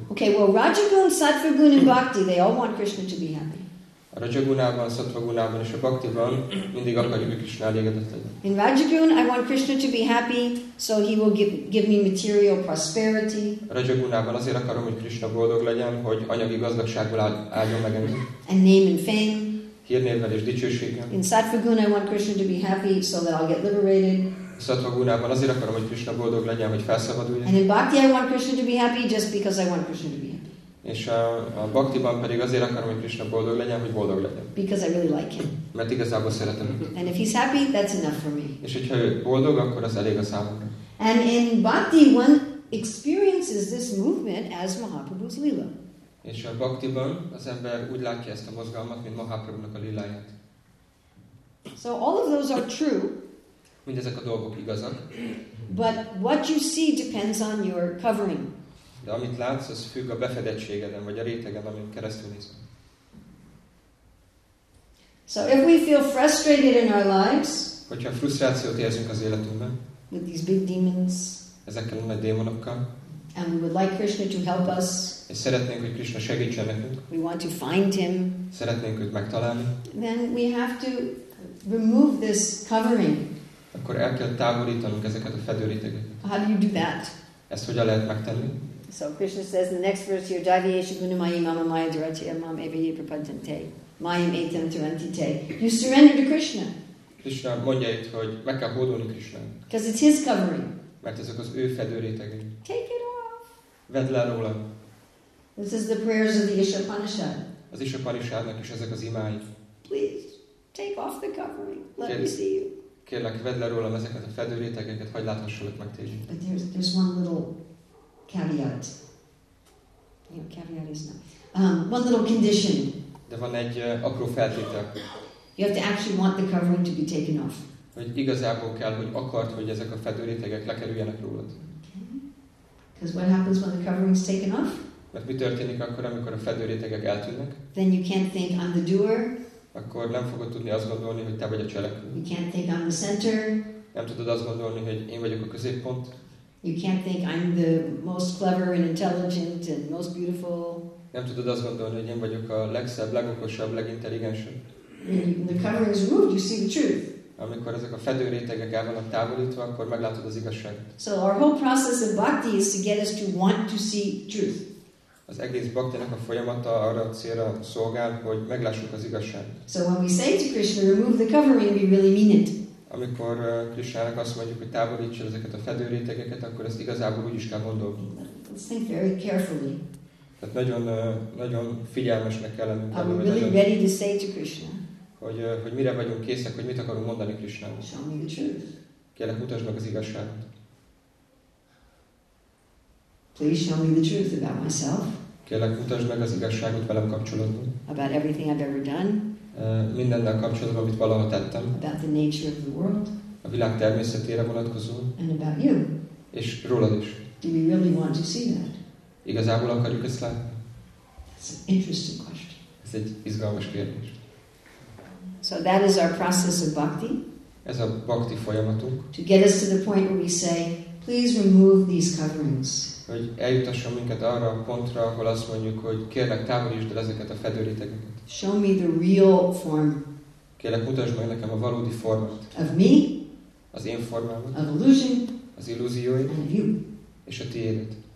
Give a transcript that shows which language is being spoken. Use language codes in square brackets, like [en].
[en] Okay, well, Rajagun, Sattvagun and Bhakti, they all want Krishna to be happy. [hu] A Rajagunában, Sattvagunában és a Bhaktiban mindig akarjuk, hogy Krishna elégedett legyen. [en] In Rajagun, I want Krishna to be happy, so he will give me material prosperity. [hu] A Rajagunában azért akarom, hogy Krishna boldog legyen, hogy anyagi gazdagságból áldjon meg engem. [en] And name and fame. [hu] Hírnévvel és dicsőséggel. [en] In Sattvagun, I want Krishna to be happy, so that I'll get liberated. [hu] Sattvagunában azért akarom, hogy Krishna boldog legyen, hogy felszabaduljon. [en] And in bhakti I want Krishna to be happy just because I want Krishna to be happy. [hu] És a bhaktiban pedig azért akarom, hogy Krishna boldog legyen, hogy boldog legyen. [en] Because I really like him. [hu] Mert igazából szeretem. [en] And if he's happy, that's enough for me. [hu] És hogyha boldog, akkor az elég a számomra. [en] And in bhakti one experiences this movement as Mahaprabhu's lila. [hu] És a bhaktiban az ember úgy látja ezt a mozgalmat, mint Mahaprabhu-nak a liláját. [en] So all of those are true. [hu] Mindezek a dolgok igazak. [en] But what you see depends on your covering. [hu] De amit látsz, az függ a befedettségeden, vagy a rétegen, amin keresztül néz. [en] So if we feel frustrated in our lives, [hu] hogyha frusztrációt érzünk az életünkben, [en] with these big demons, [hu] ezekkel a nagy démonokkal, [en] and we would like Krishna to help us, [hu] és szeretnénk, hogy Krishna segítsen nekünk, [en] we want to find him, [hu] szeretnénk őt megtalálni, [en] then we have to remove this covering. [hu] Akkor el kell távolítanunk ezeket a fedőréteget. [en] How do you do that? [hu] Ezt hogyan lehet megtenni? [en] So Krishna says in the next verse here, [sa] Javiyesha gunamayi mama maya durati amam evayi prapadjante mayam etam turantite. [en] You surrender to Krishna. [hu] Krishna mondja itt, hogy meg kell hódolni Krishna. [en] Because it's his covering. [hu] Mert ezek az ő fedőrétegek. [en] Take it off. [hu] Vedd le róla. [en] This is the prayers of the Isha-Panishad. [hu] Az Isha-Panishadnak is ezek az imái. [en] Please, take off the covering. Let me see you. [hu] Kérlek, vedd le rólam ezeket a fedőrétegeket, hagyd láthassalak meg téged. [en] But there's one little caveat. You know, caveat is not. One little condition. [hu] De van egy apró feltétel. [en] You have to actually want the covering to be taken off. [hu] Hogy igazából kell, hogy akart, hogy ezek a fedőrétegek lekerüljenek rólad. [en] Okay. Because what happens when the covering is taken off? [hu] Mert mi történik akkor, amikor a fedőrétegek eltűnnek? [en] Then you can't think I'm the doer. [hu] Akkor nem fogod tudni azt gondolni, hogy te vagy a cselekvő. [en] You can't think I'm the center. [hu] Nem tudod azt gondolni, hogy én vagyok a középpont. [en] You can't think I'm the most clever and intelligent and most beautiful. [hu] Nem tudod azt gondolni, hogy én vagyok a legszebb, legokosabb, legintelligensebb. [en] The covering is removed, you see the truth. [hu] Amikor ezek a fedőrétegek el vannak távolítva, akkor meglátod az igazságot. [en] So our whole process of bhakti is to get us to want to see truth. [hu] Az egész bhaktinak a folyamata arra a célra szolgál, hogy meglássuk az igazságot. [en] So when we say to Krishna, remove the covering, we really mean it. [hu] Amikor Krishnának azt mondjuk, hogy távolítsa ezeket a fedőrétegeket, akkor ezt igazából úgy is kell gondolni. [en] Let's think very carefully. [hu] Tehát nagyon, nagyon figyelmesnek kell lennünk. [en] Are we really ready to say to Krishna? [hu] Hogy mire vagyunk készek, hogy mit akarunk mondani Krishnának. [en] Show me the truth. [hu] Kérlek, mutasd meg az igazságot. [en] Please show me the truth about myself. [hu] Kérlek, mutasd meg az igazságot velem kapcsolatban. [en] About everything I've ever done. [hu] Mindennel kapcsolatban, amit valaha tettem. [en] About the nature of the world. [hu] A világ természetére vonatkozó. [en] And about you. [hu] És rólad is. [en] Do we really want to see that? [hu] Igazából akarjuk ezt látni? [en] It's an interesting question. [hu] Ez egy izgalmas kérdés. [en] So that is our process of bhakti. [hu] Ez a bhakti folyamatunk. [en] To get us to the point where we say, please remove these coverings. [hu] Hogy eljutasson minket arra a pontra, ahol azt mondjuk, hogy kérlek, távolítsd el ezeket a fedőrétegeket. [en] Show me the real form. [hu] Kérlek, mutasd meg nekem a valódi formát. [en] Of me. [hu] Az én formámat. [en] Of illusion. [hu] Az illúzióim. [en] And of you. [hu] És a tiédet.